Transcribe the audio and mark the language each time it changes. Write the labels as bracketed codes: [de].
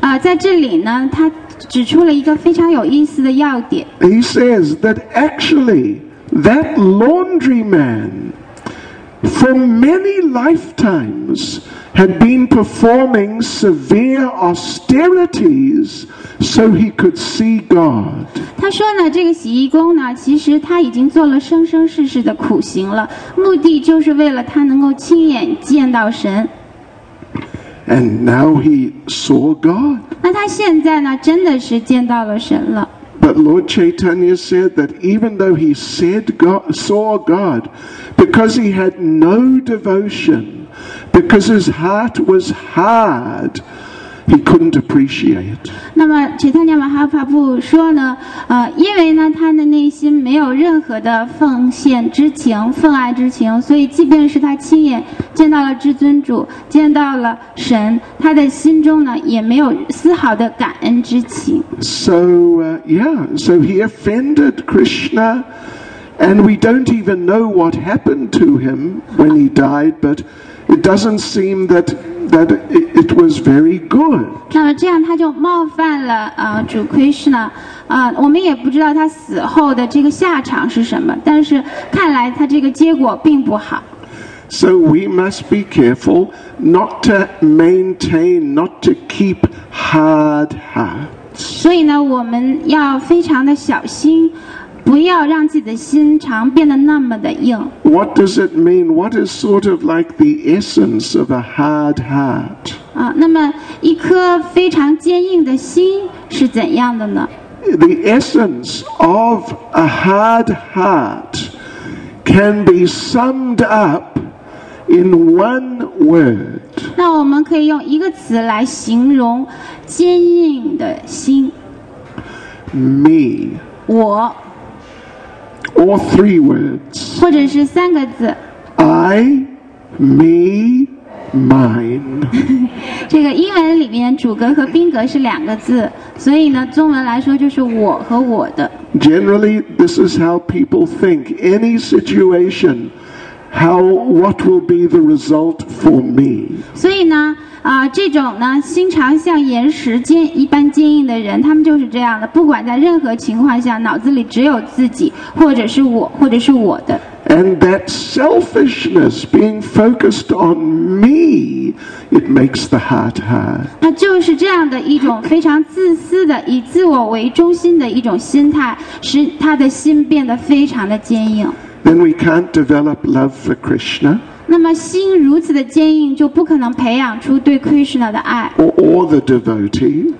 [zh] 在这里呢，他指出了一个非常有意思的要点。 [en] He says that actually that laundryman for many lifetimes had been performing severe austerities so he could see God. [zh] 他说呢，这个洗衣工呢，其实他已经做了生生世世的苦行了，目的就是为了他能够亲眼见到神。 [en] And now he saw God. [zh] 那他现在呢，真的是见到了神了。 [en] But Lord Chaitanya said that even though he said God, saw God, because he had no devotion, because his heart was hard, he couldn't appreciate. [zh] 那么 Chaitanya Mahaprabhu 说呢，因为呢他的内心没有任何的奉献之情、奉爱之情，所以即便是他亲眼见到了至尊主、见到了神，他的心中呢也没有丝毫的感恩之情。 [en] So he offended Krishna, and we don't even know what happened to him when he died, but it doesn't seem that it was very good. [zh] 那么这样他就冒犯了主 Krishna， 我们也不知道他死后的这个下场是什么，但是看来他这个结果并不好。 [en] So we must be careful not to maintain, not to keep hard hearts. [zh] 所以呢，我们要非常的小心。不要让自己的心肠变得那么的硬。 [en] What does it mean? What is sort of like the essence of a hard heart? [zh] 那么一颗非常坚硬的心是怎样的呢？ [en] The essence of a hard heart can be summed up in one word. [zh] 那我们可以用一个词来形容坚硬的心。 [en] Me. [zh] 我。 [en] Or three words. [zh] 或者是三个字。 [en] I, me, mine. [zh] 这个英文里面主格和宾格是两个字，所以呢，中文来说就是我和我的。 [en] Generally, this is how people think. Any situation, what will be the result for me? [zh] 所以呢，这种呢，心肠像岩石一般坚硬的人，他们就是这样的，不管在任何情况下，脑子里只有自己，或者是我，或者是我的。 [en] And that selfishness, being focused on me, it makes the heart hard. [zh] 那就是这样的一种非常自私的，以自我为中心的一种心态，使他的心变得非常的坚硬。 [en] Then we can't develop love for Krishna. [zh] 那么心如此的坚硬，就不可能培养出对 Krishna 的爱。 [en] Or the devotees.